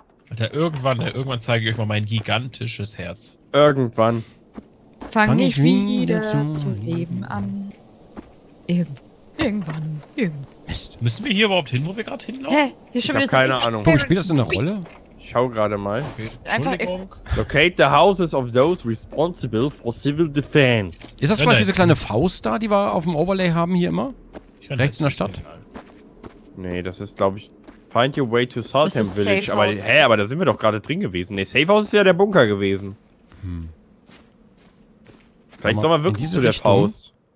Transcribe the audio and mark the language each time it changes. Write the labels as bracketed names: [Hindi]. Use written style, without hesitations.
[German] Alter, irgendwann zeige ich euch mal mein gigantisches Herz. Irgendwann. Fang ich wieder zum Leben an. Irgendwann. Mist. Müssen wir hier überhaupt hin, wo wir gerade hinlaufen? Hä? Hier schon ich hab keine Ahnung. Tobi, spielt das eine Rolle? Ich schau gerade mal. Okay. Entschuldigung. [English] Locate the houses of those responsible for civil defense. [German] Ist das vielleicht diese kleine Faust da, die wir auf dem Overlay haben hier immer? Rechts in der Stadt? Nee, das ist, glaube ich, [English] find your way to Saltham Village. [German] Aber, hä, aber da sind wir doch gerade drin gewesen. Nee, Safe House ist ja der Bunker gewesen. Vielleicht sollen wir wirklich zu der Faust.